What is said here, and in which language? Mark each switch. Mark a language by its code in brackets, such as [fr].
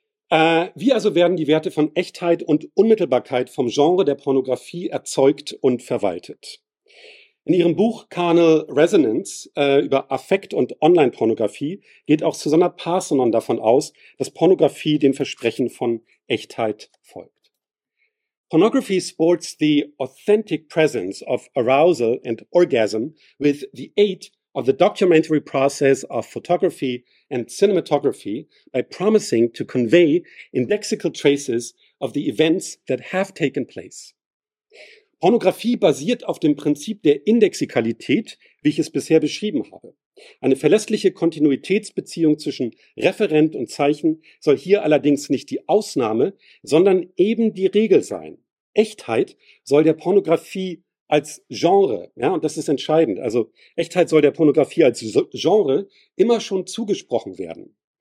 [de] Wie also werden die Werte von Echtheit und Unmittelbarkeit vom Genre der Pornografie erzeugt und verwaltet? In ihrem Buch Carnal Resonance über Affekt und Online-Pornografie geht auch Susanna Parsonon davon aus, dass Pornografie dem Versprechen von Echtheit folgt. [en] Pornography sports the authentic presence of arousal and orgasm with the aid of the documentary process of photography and cinematography by promising to convey indexical traces of the events that have taken place. [de] Pornografie basiert auf dem Prinzip der Indexikalität, wie ich es bisher beschrieben habe. Eine verlässliche Kontinuitätsbeziehung zwischen Referent und Zeichen soll hier allerdings nicht die Ausnahme, sondern eben die Regel sein. Echtheit soll der Pornografie als Genre, ja, und das ist entscheidend, also Echtheit soll der Pornografie als Genre immer schon zugesprochen werden.